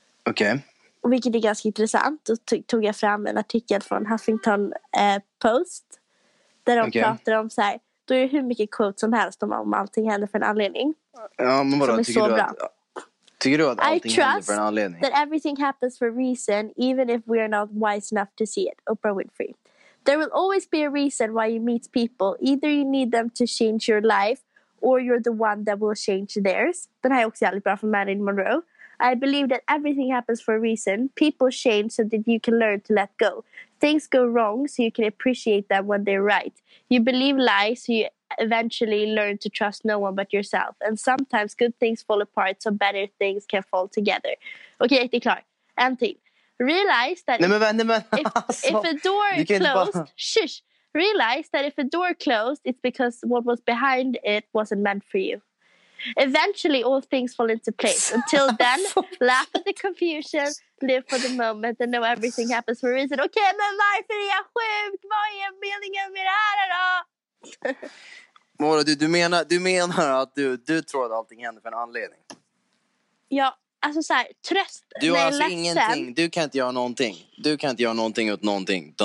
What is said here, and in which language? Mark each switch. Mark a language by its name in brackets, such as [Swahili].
[Swedish] Okej. [English] Okay. [Swedish] Vilket är ganska intressant. Då tog jag fram en artikel från Huffington Post. Där de pratar om så här. Då är det hur mycket quote som helst om allting händer för en anledning. Ja, men vadå? Tycker du att allting händer för en anledning? [English] I trust that everything happens for a reason, even if we are not wise enough to see it. Oprah Winfrey. There will always be a reason why you meet people. Either you need them to change your life, or you're the one that will change theirs. [Swedish] Den här är också jävligt bra från Marilyn Monroe. [English] I believe that everything happens for a reason. People change so that you can learn to let go. Things go wrong so you can appreciate them when they're right. You believe lies so you eventually learn to trust no one but yourself. And sometimes good things fall apart so better things can fall together. Okej, okay, [Swedish] det är klart. En till. [English] Realize that if a door closed, shush. Realize that if a door closed, it's because what was behind it wasn't meant for you. Eventually all things fall into place. Until then, laugh at the confusion, live for the moment and know everything happens for a reason. [Swedish] Okej, okay, men varför är jag sjuk? Vad är meningen med det här då? Mora, du menar att du tror att allting händer för en anledning? Ja, alltså så här, tröst. Du har alltså ingenting, du kan inte göra någonting. Du kan inte göra någonting åt någonting.